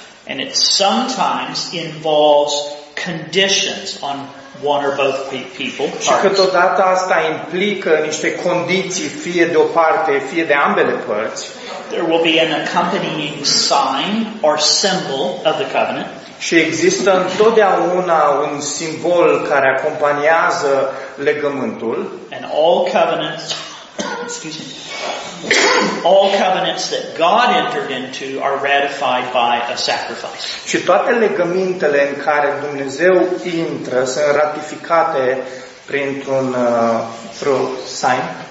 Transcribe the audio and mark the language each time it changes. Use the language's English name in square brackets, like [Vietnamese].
[English] And it sometimes involves conditions on one or both people. [Romanian] Și câteodată asta implică niște condiții, fie de o parte, fie de ambele părți. [English] There will be an accompanying sign or symbol of the covenant. [Romanian] Și există întotdeauna un simbol care acompaniază legământul. [English] And all covenants, excuse me, all covenants that God entered into are ratified by a sacrifice. [Romanian] Și toate legămintele în care Dumnezeu intră sunt ratificate printr-un sign.